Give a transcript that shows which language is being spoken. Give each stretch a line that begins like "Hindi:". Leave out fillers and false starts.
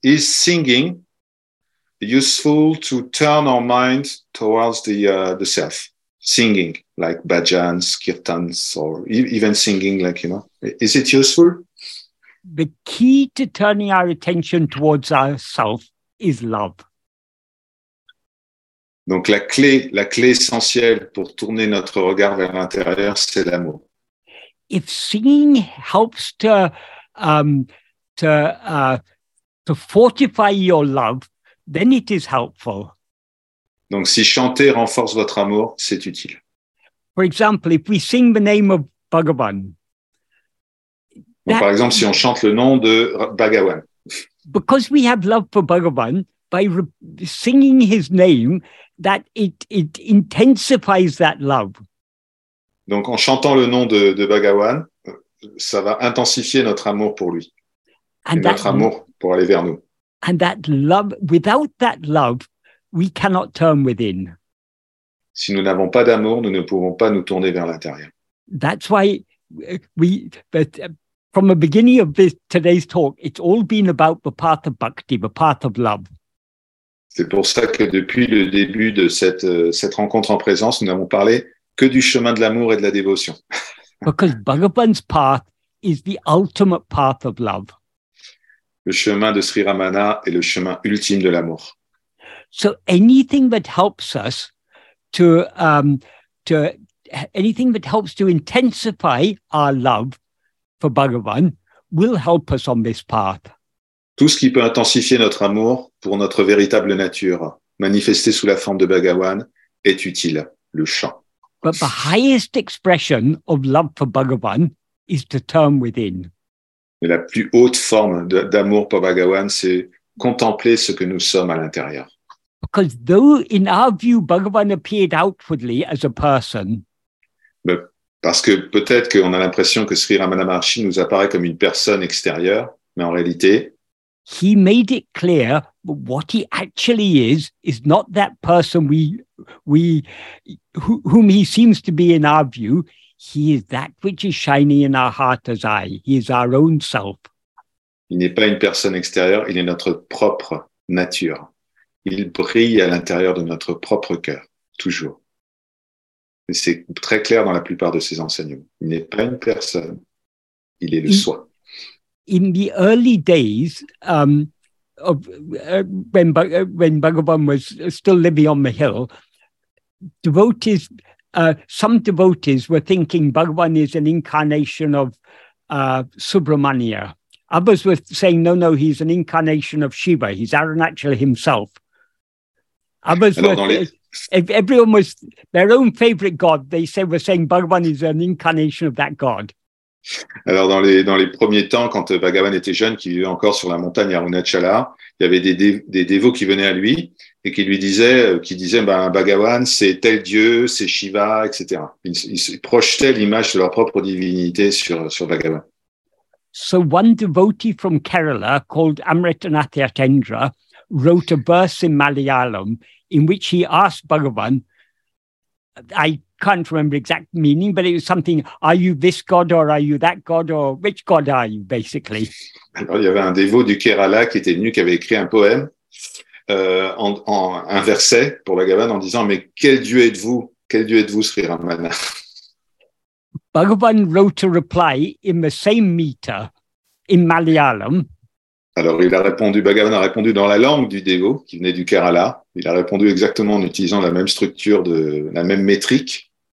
English: Is singing useful to turn our mind towards the self? Singing, like bhajans, kirtans, or even singing, is it useful? The key to turning our attention towards ourself is love.
French: Donc la clé essentielle pour tourner notre regard vers l'intérieur, c'est l'amour.
English: If singing helps to fortify your love, then it is helpful.
French: Donc, si chanter renforce votre amour, c'est utile.
English: For example, if we sing the name of Bhagavan,
French: Donc, par exemple, si on chante le nom de Bhagavan.
English: Because we have love for Bhagavan, by singing his name, that it intensifies that love.
French: Donc, en chantant le nom de Bhagavan, ça va intensifier notre amour pour lui.
English: And
French: et notre amour pour aller vers nous.
English: And that love, without that love, we cannot turn within.
French: Si nous n'avons pas d'amour, nous ne pouvons pas nous tourner vers l'intérieur.
English: That's why we, but from the beginning of this, today's talk, it's all been about the path of bhakti, the path of love.
French: C'est pour ça que depuis le début de cette rencontre en présence, nous n'avons parlé que du chemin de l'amour et de la dévotion.
English: Because Bhagavan's path is the ultimate path of love.
French: Le chemin de Sri Ramana est le chemin ultime de l'amour.
English: So anything that helps us to anything that helps to intensify our love for Bhagavan will help us on this path.
French: Tout ce qui peut intensifier notre amour pour notre véritable nature, manifesté sous la forme de Bhagavan, est utile, le chant.
English: But the highest expression of love for Bhagavan is to turn within.
French: Mais la plus haute forme d'amour pour Bhagavan, c'est contempler ce que nous sommes à l'intérieur.
English: Because though in our view Bhagavan appeared outwardly as a person.
French: Mais parce que peut-être qu'on a l'impression que Sri Ramana Maharshi nous apparaît comme une personne extérieure, mais en réalité,
English: he made it clear what he actually is not that person whom he seems to be in our view. He is that which is shining in our heart as I. He is our own self.
French: Il n'est pas une personne extérieure, il est notre propre nature. Il brille à l'intérieur de notre propre cœur, toujours. Et c'est très clair dans la plupart de ses enseignements. Il n'est pas une personne, il est le soi.
English: In the early days, when Bhagavan was still living on the hill, some devotees were thinking Bhagavan is an incarnation of Subramania. Others were saying, no, he's an incarnation of Shiva. He's Arunachala himself. Their own favorite god, they were saying Bhagavan is an incarnation of that god.
French: Alors, dans les premiers temps, quand Bhagavan était jeune, qui vivait encore sur la montagne Arunachala, il y avait des dévots qui venaient à lui et qui disaient, Bhagavan, c'est tel dieu, c'est Shiva, etc. Ils projetaient l'image de leur propre divinité sur Bhagavan.
English: So one devotee from Kerala called Amritanathyatendra wrote a verse in Malayalam in which he asked Bhagavan, I can't remember exact meaning, but it was something, are you this god or are you that god or which god are you, basically?
French: Alors, il y avait un dévot du Kerala qui était venu, qui avait écrit un poème, un verset pour Bhagavan en disant, mais quel dieu êtes-vous? Quel dieu êtes-vous, Sri Ramana?
English: Bhagavan wrote a reply in the same meter in Malayalam.
French: Alors, Bhagavan a répondu dans la langue du dévot qui venait du Kerala. Il a répondu exactement en utilisant la même structure, la même métrique.